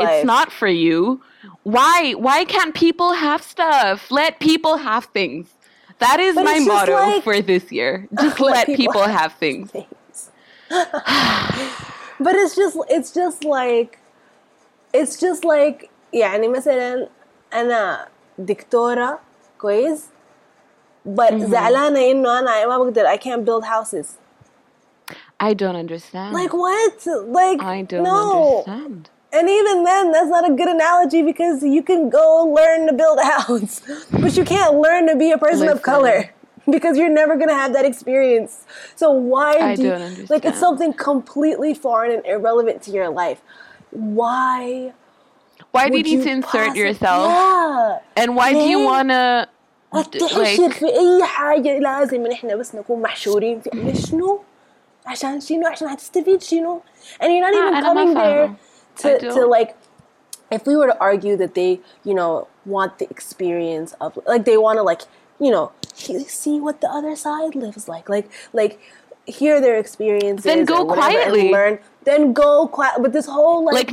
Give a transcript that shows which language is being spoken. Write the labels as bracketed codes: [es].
[en] It's not for you. Why? Why can't people have stuff? Let people have things. That is my motto for this year. Just let people have things. But it's just like [ar] يعني مثلا أنا دكتورة كويس [en] but [ar] زعلانة إنه أنا ما بقدر [en] I can't build houses. I don't understand. Like what? Like I don't understand. And even then, that's not a good analogy because you can go learn to build a house, but you can't learn to be a person of color because you're never going to have that experience. So why do you, understand. Like, it's something completely foreign and irrelevant to your life. Why did you insert yourself? Yeah. And why do you want to, like... [ar] في أي حاجة لازم نحن بس نكون محشورين في شنو؟ عشان شنو؟ عشان هتستفيد شنو؟ [en] And you're not even coming there. To like, if we were to argue that they, you know, want the experience of, like, they want to, like, you know, see what the other side lives like, hear their experiences. Then go quietly. Learn. Then go quietly. But this whole, like